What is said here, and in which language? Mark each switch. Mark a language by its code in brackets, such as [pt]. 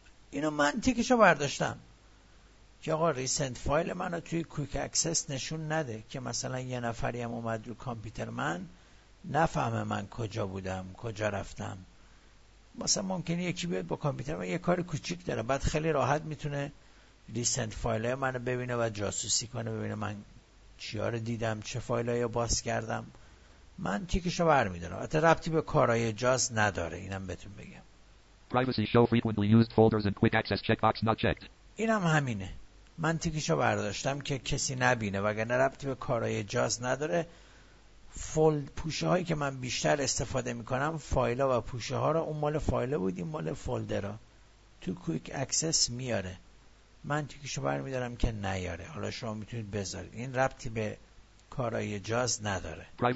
[fa] اینو من تیکشو برداشتم که آقا ریسنت فایل منو توی کویک اکسس نشون نده که مثلا یه نفری هم اومد رو کامپیوتر من نفهمه من کجا بودم کجا رفتم مثلا ممکنه یکی بیاد با کامپیوتر من یه کار کوچیک داره بعد خیلی راحت میتونه ریسنت فایل های منو ببینه و جاسوسی کنه ببینه من چیا رو دیدم چه فایل های باز کردم من تیکشو برمیدارم حتی ربطی به کارهای جاز نداره اینم بهتون بگم [en] privacy show frequently used folders and quick access checkbox not checked [fa] اینم همینه من تیکشو برداشتم که کسی نبینه وگرنه ربطی به کارهای جاز نداره فولد پوشه هایی که من بیشتر استفاده میکنم فایلا و پوشه ها را اون مال فایلا بود این مال فولدرا تو کویک اکسس میاره من تیکشو برمیدارم که نیاره حالا شما میتونید بذارید این ربطی به کارهای جاز نداره